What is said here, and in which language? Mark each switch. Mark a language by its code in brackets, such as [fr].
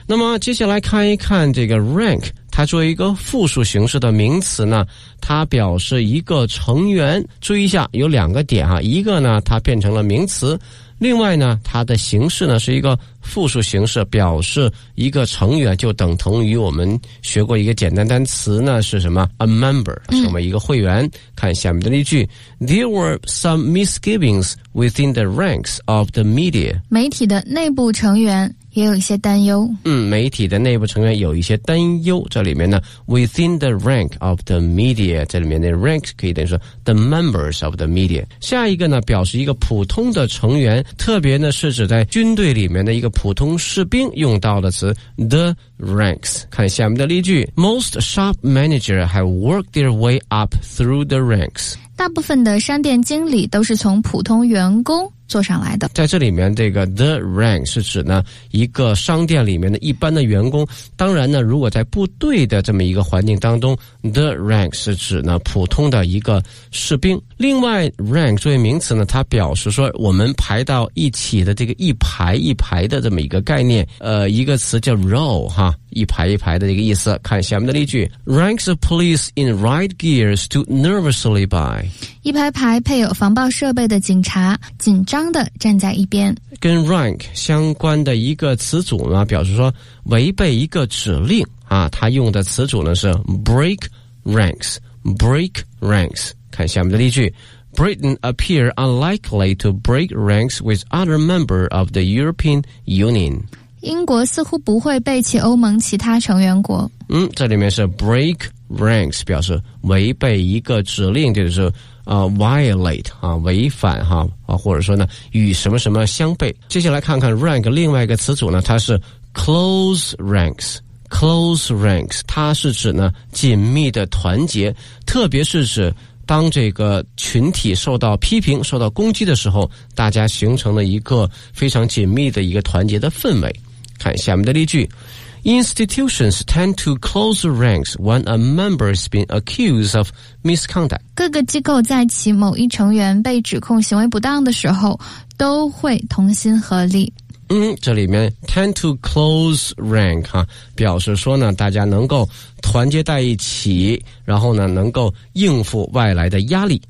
[zh] 那么接下来看一看这个 rank， 它作为一个复数形式的名词呢，它表示一个成员。注意一下有两个点哈，一个呢它变成了名词，另外呢，它的形式呢是一个复数形式，表示一个成员，就等同于我们学过一个简单单词呢，是什么 ？ [en] A member， [zh] 是我们一个会员。看下面的例句 [en] ：There were some misgivings within the ranks of the media。 [zh] 媒体的内部成员也有一些担忧。嗯，媒体的内部成员有一些担忧。这里面呢 ， [en] within the rank of the media， [zh] 这里面的 rank 可以等于说 [en] the members of the media。 [zh] 下一个呢，表示一个普通的成员，特别呢是指在军队里面的一个普通士兵用到的词 the ranks。看下面的例句 [en] ：Most shop manager have worked their way up through the ranks。 [zh] 大部分的商店经理都是从普通员工做上来的。在这里面这个 the rank 是指呢一个商店里面的一般的员工，当然呢如果在部队的这么一个环境当中， the rank 是指呢普通的一个士兵。另外 rank 作为名词呢，它表示说我们排到一起的这个一排一排的这么一个概念，一个词叫 row 哈，一排一排的这个意思。看下面的例句 [en] ranks of police in riot gear stood nervously by。 [zh] 一排排配有防爆设备的警察紧张地站在一边。跟 rank 相关的一个词组呢，表示说违背一个指令啊，它用的词组呢是 break ranks， break ranks。看下面的例句 [en] Britain appear unlikely to break ranks with other member of the European Union。 [zh] 英国似乎不会背弃欧盟其他成员国。嗯，这里面是 break ranks， 表示违背一个指令，就是violate 啊，违反哈啊，或者说呢与什么什么相悖。接下来看看 rank 另外一个词组呢，它是 close ranks。 close ranks 它是指呢紧密的团结，特别是指当这个群体受到批评、受到攻击的时候，大家形成了一个非常紧密的一个团结的氛围。看下面的例句 [en] ：Institutions tend to close ranks when a member has been accused of misconduct。 [zh] 各个机构在其某一成员被指控行为不当的时候，都会同心合力。嗯，这里面 [en] tend to close rank [zh] 哈、啊，表示说呢，大家能够团结在一起，然后呢，能够应付外来的压力。